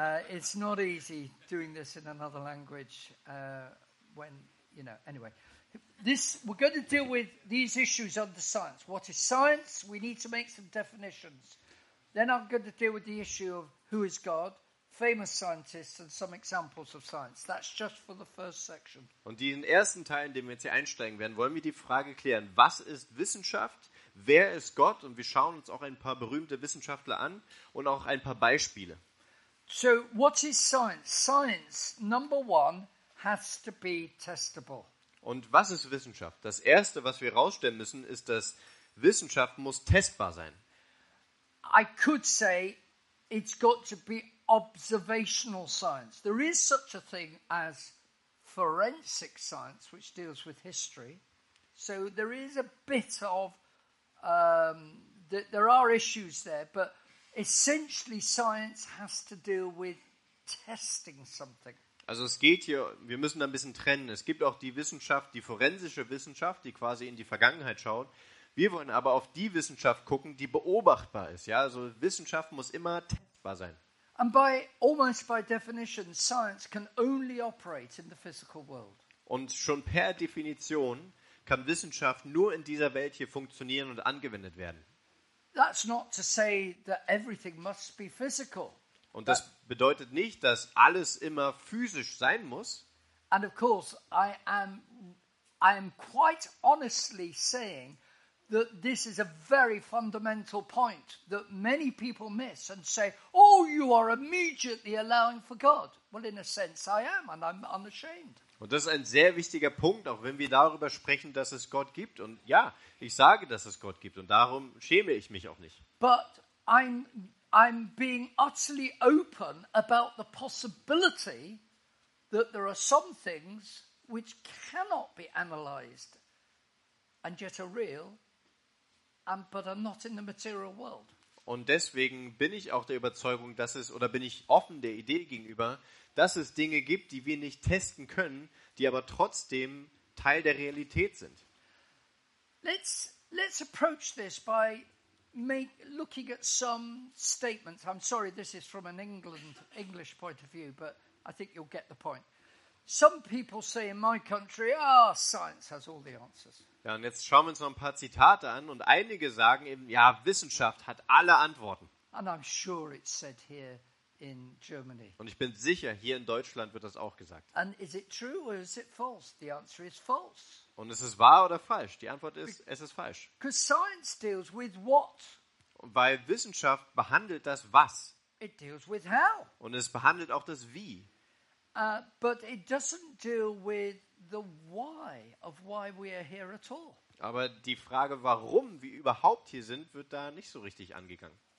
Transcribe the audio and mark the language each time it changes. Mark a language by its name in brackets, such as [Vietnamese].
[English] It's not easy doing this in another language anyway. We're going to deal with these issues under science. What is science? We need to make some definitions. Then I'm going to deal with the issue of who is God, famous scientists and some examples of science. That's just for the first section. [German] Und den ersten Teil, in dem wir jetzt hier einsteigen werden, wollen wir die Frage klären, was ist Wissenschaft, wer ist Gott, und wir schauen uns auch ein paar berühmte Wissenschaftler an und auch ein paar Beispiele. [English] So, what is science? Science, number one, has to be testable. [German] Und was ist Wissenschaft? Das Erste, was wir herausstellen müssen, ist, dass Wissenschaft muss testbar sein. [English] I could say, it's got to be observational science. There is such a thing as forensic science, which deals with history. So, there is a bit of, there are issues there, but essentially, science has to deal with testing something. [German] Also es geht hier, wir müssen da ein bisschen trennen. Es gibt auch die Wissenschaft, die forensische Wissenschaft, die quasi in die Vergangenheit schaut. Wir wollen aber auf die Wissenschaft gucken, die beobachtbar ist. Ja, also Wissenschaft muss immer testbar sein. [English] And by almost by definition, science can only operate in the physical world. [German] Und schon per Definition kann Wissenschaft nur in dieser Welt hier funktionieren und angewendet werden. [English] That's not to say that everything must be physical. [German] Und das bedeutet nicht, dass alles immer physisch sein muss. [English] And of course, I am quite honestly saying that this is a very fundamental point that many people miss and say, oh, you are immediately allowing for God. Well, in a sense I am, and I'm unashamed. [German] Und das ist ein sehr wichtiger Punkt, auch wenn wir darüber sprechen, dass es Gott gibt. Und ja, ich sage, dass es Gott gibt, und darum schäme ich mich auch nicht. [English] But I'm being utterly open about the possibility that there are some things which cannot be analyzed and yet are real, but are not in the material world. [German] Und deswegen bin ich auch der Überzeugung, dass es, oder bin ich offen der Idee gegenüber, dass es Dinge gibt, die wir nicht testen können, die aber trotzdem Teil der Realität sind. [English] Let's approach this by looking at some statements. I'm sorry, this is from an English point of view, but I think you'll get the point. Some people say in my country, ah, science has all the answers. [German] Ja, und jetzt schauen wir uns noch ein paar Zitate an und einige sagen eben, ja, Wissenschaft hat alle Antworten. [English] And I'm sure it's said here in Germany. [German] Und ich bin sicher, hier in Deutschland wird das auch gesagt. [English] And is it true or is it false? The answer is false. [German] Und ist es wahr oder falsch? Die Antwort ist, es ist falsch. [English] Because science deals with what? [German] Weil Wissenschaft behandelt das was. [English] It deals with how. [German] Und es behandelt auch das wie. [English] But it doesn't deal with the why of why we are here at all. [German] Aber die Frage, warum wir überhaupt hier sind, wird da nicht so richtig angegangen.